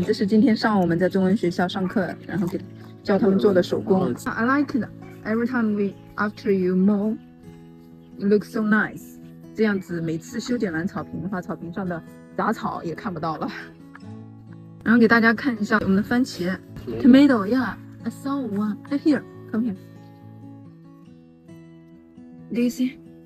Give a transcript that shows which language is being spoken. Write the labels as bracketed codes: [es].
[zh] 这是今天上午我们在中文学校上课，然后给教他们做的手工。 [en] I like it. Every time we after you mow, it looks so nice. [zh] 这样子每次修剪完草坪的话，草坪上的杂草也看不到了。然后给大家看一下我们的番茄 ，tomato. [en] Yeah, I saw one. Right here, come here. Do you see?